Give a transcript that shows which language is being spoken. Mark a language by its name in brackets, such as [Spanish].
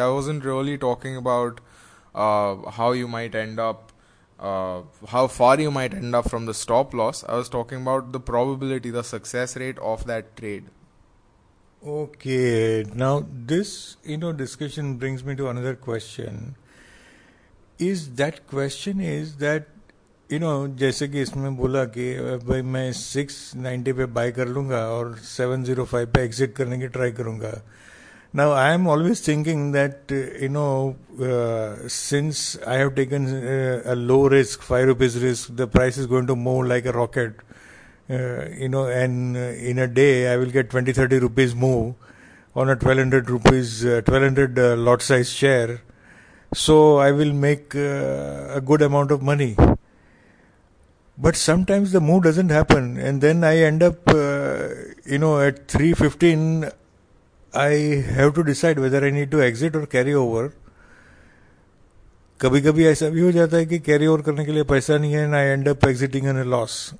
[English] I wasn't really talking about how you might end up, how far you might end up from the stop loss. I was talking about the probability, the success rate of that trade. Okay, now this, you know, discussion brings me to another question. Is that question is that you know [Hindi] जैसे कि इसमें बोला कि भाई मैं 690 पे bye कर लूँगा और 705 पे एग्जिट करने की ट्राई करूँगा. [English] Now I am always thinking that you know since I have taken a low risk 5 rupees risk the price is going to move like a rocket you know and in a day I will get 20-30 rupees move on a 1200 lot size share. So I will make a good amount of money. But sometimes the move doesn't happen, and then I end up, you know, at 315, I have to decide whether I need to exit or carry over. [Hindi] कभी कभी ऐसा भी हो जाता है कि carry over करने के लिए पैसा नहीं है, [English] and I end up exiting in a loss.